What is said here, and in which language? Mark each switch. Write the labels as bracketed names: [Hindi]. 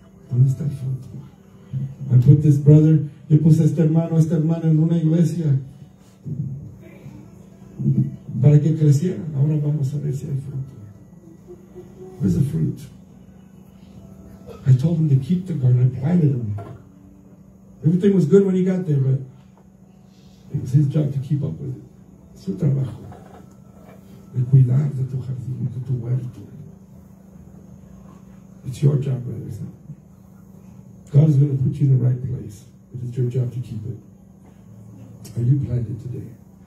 [Spanish] ¿Dónde está el fruto? [English] I put this brother, [Spanish] yo puse a este hermano, a esta hermana en una iglesia para que crecieran. Ahora vamos a ver si hay fruto. [English] Where's the fruit? I told him to keep the garden. I planted him. Everything was good when he got there, but it was his job to keep up with it. [Spanish] Su trabajo. De cuidar de tu jardín, de tu huerto. [English] It's your job, brother. God is going to put you in the right place. But it's your job to keep it. Are you planted today?